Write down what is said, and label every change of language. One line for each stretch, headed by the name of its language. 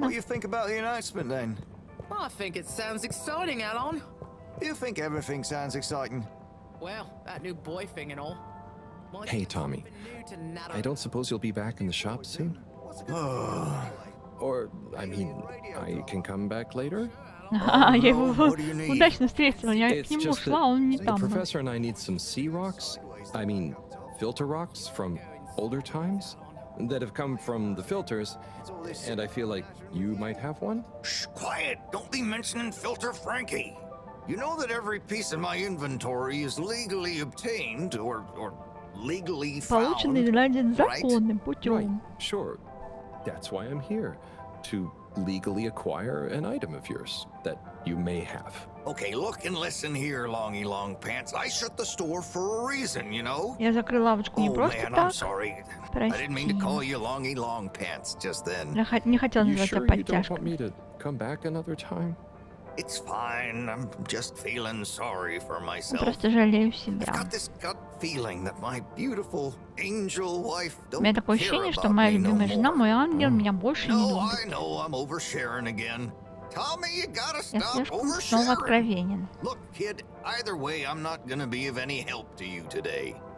English: What do you think about the announcement then? I think it sounds exciting, Alon. You think everything sounds exciting? Well, that new boy thing and all. Hey, Tommy. I don't suppose you'll be back in the shop soon? Or, I mean, I can come back later?
Russian: Я его удачно встретил, я к нему шла, он не там.
English: Professor and I need some sea rocks. I mean, filter rocks from older times. That have come from the filters, and I feel like you might have one? Shh, quiet! Don't be mentioning Filter Frankie! You know that every piece of my inventory is legally obtained, or legally found, right? Right, sure. That's why I'm here, to legally acquire an item of yours that you may have. Okay, look and listen here, Longy Longpants. I shut the store for a reason, you know?
Russian: Я закрыл лавочку не просто так.
English: Oh, man, I'm sorry. I didn't mean to call you Longy Longpants just then.
Russian: Не хотел называть тебя подтяжкой.
English: You sure you don't want me to come back another time? It's fine. I'm just feeling sorry for myself.
Russian: Просто жалею себя.
English: I've got this gut feeling that my beautiful angel wife don't care about me no more.
Russian: У меня такое ощущение, что моя любимая жена, мой ангел, меня больше не любит.
English: No, I know I'm oversharing again. Tommy, you gotta stop oversharing. Look, kid, either way, I'm not gonna be of any help to you today.